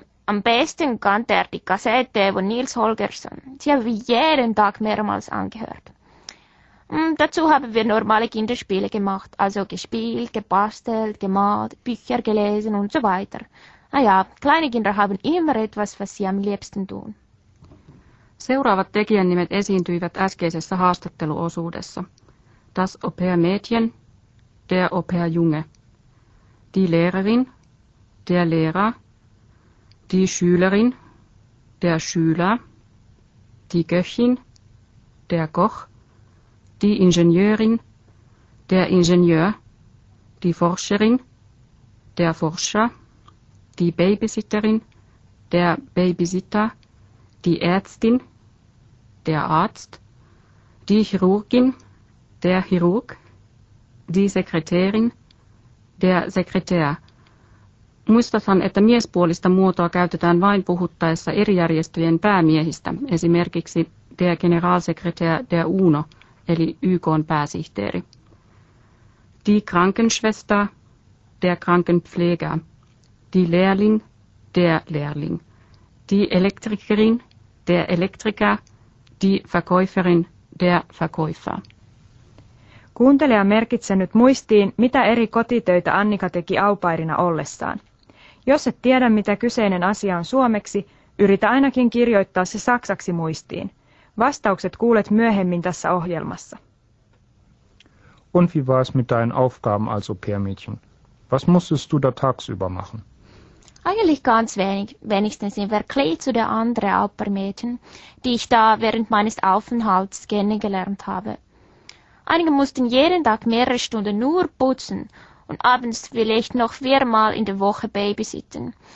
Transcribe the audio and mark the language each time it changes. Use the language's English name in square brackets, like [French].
[German] Am besten kannte er die Kassette von Nils Holgersson. Sie habe ich jeden Tag mehrmals angehört. Und dazu haben wir normale Kinderspiele gemacht, also gespielt, gebastelt, gemalt, Bücher gelesen und so weiter. Naja, kleine Kinder haben immer etwas, was sie am liebsten tun. [Finnish] Seuraavat tekijän nimet esiintyivät äskeisessä haastatteluosuudessa. [German] Das Au-pair-Mädchen, der Au-pair-Junge. Die Lehrerin, der Lehrer. Die Schülerin, der Schüler. Die Köchin, der Koch. Die Ingenieurin, der Ingenieur. Die Forscherin, der Forscher. Die Babysitterin, der Babysitter, die Ärztin, der Arzt, die Chirurgin, der Chirurg, die Sekretärin, der Sekretär. [Finnish] Muistathan, että miespuolista muotoa käytetään vain puhuttaessa eri järjestöjen päämiehistä, esimerkiksi [German] der Generalsekretär der UNO, [Finnish] eli YK:n pääsihteeri. [German] Die Krankenschwester, der Krankenpfleger. Die Lehrling, der Lehrling. Die Elektrikerin, der Elektriker. Die Verkäuferin, der Verkäufer. [Finnish] Kuuntelija merkitsee nyt muistiin, mitä eri kotitöitä Annika teki aupairina ollessaan. Jos et tiedä, mitä kyseinen asia on suomeksi, yritä ainakin kirjoittaa se saksaksi muistiin. Vastaukset kuulet myöhemmin tässä ohjelmassa. [German] Und wie war es mit deinen Aufgaben als Au-pair-Mädchen? Was musstest du da tagsüber machen? Eigentlich ganz wenig, wenigstens im Vergleich zu den anderen Au-pair-Mädchen, die ich da während meines Aufenthalts kennengelernt habe. Einige mussten jeden Tag mehrere Stunden nur putzen und abends vielleicht noch 4-mal in der Woche babysitten.